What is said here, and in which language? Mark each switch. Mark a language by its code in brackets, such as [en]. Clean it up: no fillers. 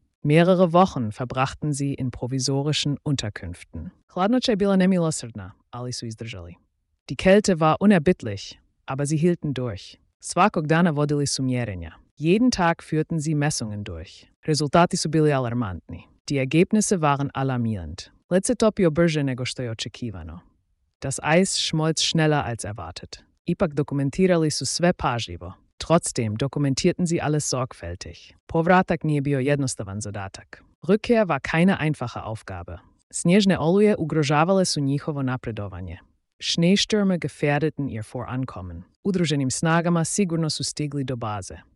[de] Mehrere Wochen verbrachten sie in provisorischen Unterkünften. [hr] Hladnoća je bila nemilosrdna, ali su izdržali. [de] Die Kälte war unerbittlich, aber sie hielten durch. [hr] Svakog dana vodili su mjerenja. [de] Jeden Tag führten sie Messungen durch. [hr] Resultati su bili alarmantni. [de] Die Ergebnisse waren alarmierend. [hr] Letzte topio brže nego što je očekivano. [de] Das Eis schmolz schneller als erwartet. [hr] Ipak dokumentirali su sve pažljivo. [de] Trotzdem dokumentierten sie alles sorgfältig. [hr] Povratak nije bio jednostavan zadatak. [de] Rückkehr war keine einfache Aufgabe. [hr] Snježne oluje ugrožavale su njihovo napredovanje. [de] Schneestürme gefährdeten ihr Vorankommen. [hr] Udruženim snagama sigurno su stigli do baze.